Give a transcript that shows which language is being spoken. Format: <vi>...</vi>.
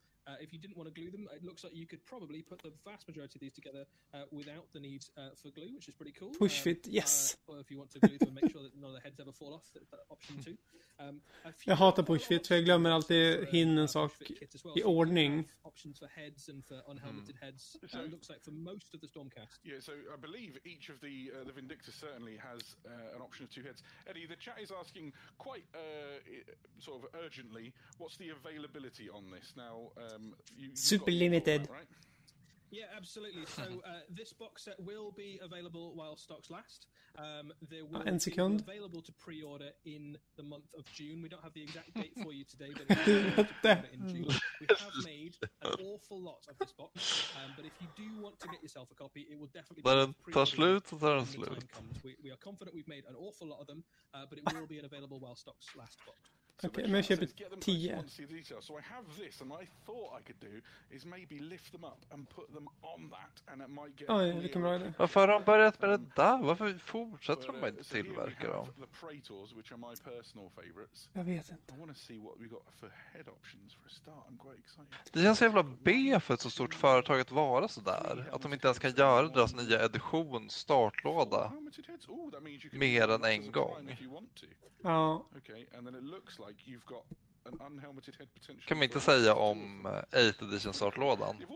<en>If you didn't want to glue them, it looks like you could probably put the vast majority of these together without the need for glue, which is pretty cool. Push fit, yes. Or if you want to glue them, make sure that none of the heads ever fall off, that option too.</en> <sv>Jag hatar push fit, för jag glömmer alltid hin en sak well. I ordning.</sv> <en>Options for heads and for unhelmeted heads. So, looks like for most of the Stormcast. Yeah, so I believe each of the Vindictus certainly has an option of two heads. Eddie, the chat is asking quite sort of urgently, what's the availability on this? Now, super limited. Yeah, absolutely. So this box set will be available while stocks last. There will be second. Available to pre-order in the month of June. We don't have the exact date for you today, but it's in June. We have made an awful lot of this box, but if you do want to get yourself a copy, it will definitely be pre-order. We are confident we've made an awful lot of them, but it will be unavailable while stocks last.</en> <sv>Okej, men jag köper 10.</sv> <en>So I have this and I thought I could do is maybe lift them up and put them on that and it might get.</en> <sv>Oj, vilken bra idé. Varför har de börjat med det där? Varför fortsätter de inte tillverka dem?</sv> <en>The Praetors, which are my personal favorites.</en> <sv>Jag vet inte.</sv> <en>I want to see what we got for head options for a start. I'm quite excited.</en> <sv>Det känns så jävla B för ett så stort företag att vara så där, att de inte ens kan göra deras nya edition startlåda mer än en gång. Ja.</sv> <en>Okej, and then it looks like you've got an unhelmeted head potential.</en> <sv>Kan man inte säga om 8th edition startlådan?</sv>